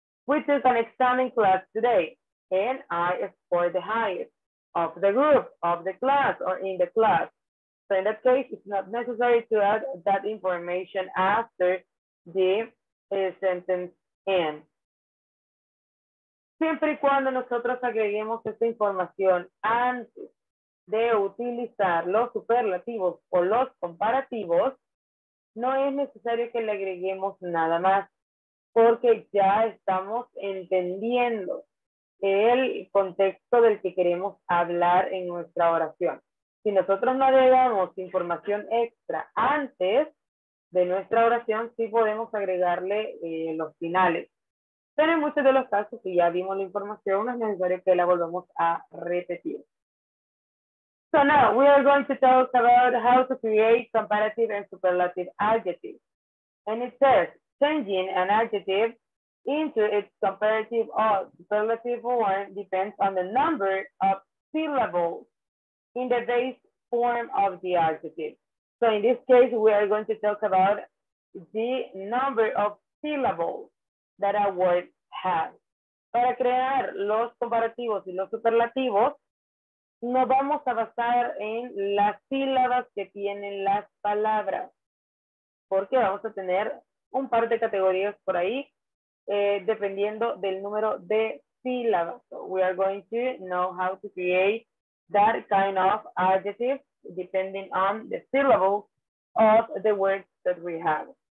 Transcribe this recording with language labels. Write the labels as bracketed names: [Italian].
[English] We took an exam in class today, and I scored the highest of the group, of the class, or in the class. So in that case, it's not necessary to add that information after the sentence ends. [Spanish] Siempre y cuando nosotros agreguemos esta información antes de utilizar los superlativos o los comparativos, no es necesario que le agreguemos nada más, porque ya estamos entendiendo el contexto del que queremos hablar en nuestra oración. Si nosotros no agregamos información extra antes de nuestra oración, sí podemos agregarle los finales. Pero en muchos de los casos, si ya vimos la información, no es necesario que la volvamos a repetir. [English] So now, we are going to talk about how to create comparative and superlative adjectives. And it says, changing an adjective into its comparative or superlative form depends on the number of syllables in the base form of the adjective. So in this case, we are going to talk about the number of syllables that a word has. [Spanish] Para crear los comparativos y los superlativos, nos vamos a basar en las sílabas que tienen las palabras, porque vamos a tener un par de categorías por ahí, dependiendo del número de sílabas. [English] So we are going to know how to create that kind of adjective depending on the syllable of the words that we have.